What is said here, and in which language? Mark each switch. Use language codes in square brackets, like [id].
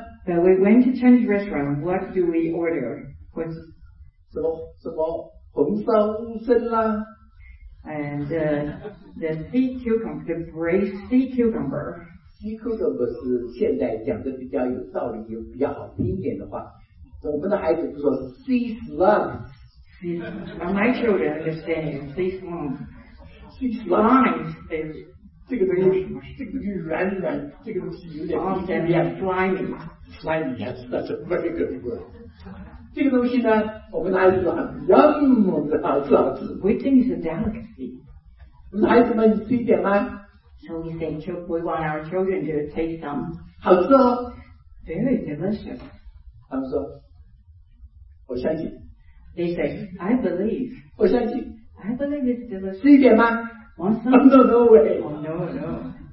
[en] But we went to Chinese restaurant. What do we order? What's [zh] 什么红烧乌参啦 [en] and the sea cucumber, the braised sea cucumber. [zh] 鸡扣的不是现在讲的比较有道理，有比较好听一点的话，我们的孩子不说 sea slug。 [en] My children understand sea slug。 sea slug [zh] 是这个东西软软，这个东西有点像那样 slimy。 [en] slimy yes, that's a very good word。 [zh] 这个东西呢，我们的孩子说 yum， 这好吃好吃。 [en] We think it's a delicacy。 [zh] 我们的孩子们，你吃一点吗？ [en] So we say we want our children to taste some. [zh] 好吃哦 [en] Very delicious. [zh] 他们说我相信 [en] They say, I believe. [zh] 我相信 [en] I believe it's delicious. [zh] 吃一点吗 [en] Want some? No, no way. Oh, no, no.